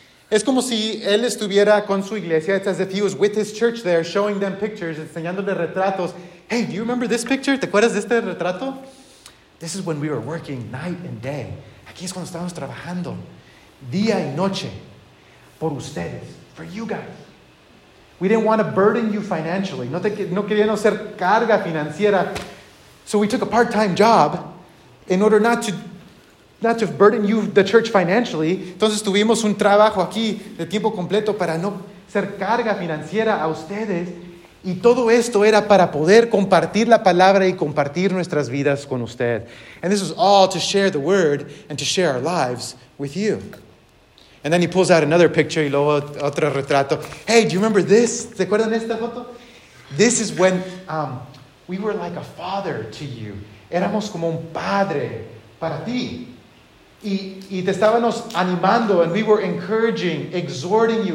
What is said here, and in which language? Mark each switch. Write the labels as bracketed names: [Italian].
[Spanish] Es como si él estuviera con su iglesia. [English] It's as if he was with his church there, showing them pictures, [Spanish] enseñándole retratos. [English] Hey, do you remember this picture? [Spanish] ¿Te acuerdas de este retrato? [English] This is when we were working night and day. [Spanish] Aquí es cuando estábamos trabajando día y noche por ustedes, [English] for you guys. We didn't want to burden you financially. [Spanish] No queríamos ser carga financiera. [English] So we took a part-time job in order not to burden you, the church, financially. [Spanish] Entonces tuvimos un trabajo aquí de tiempo completo para no ser carga financiera a ustedes. Y todo esto era para poder compartir la palabra y compartir nuestras vidas con usted. [English] And this was all to share the word and to share our lives with you. And then he pulls out another picture [Spanish] y luego otro retrato. [English] Hey, do you remember this? [Spanish] ¿Se acuerdan de esta foto? [English] This is when we were like a father to you. [Spanish] Éramos como un padre para ti. Y te estábamos animando, [English] and we were encouraging, exhorting you.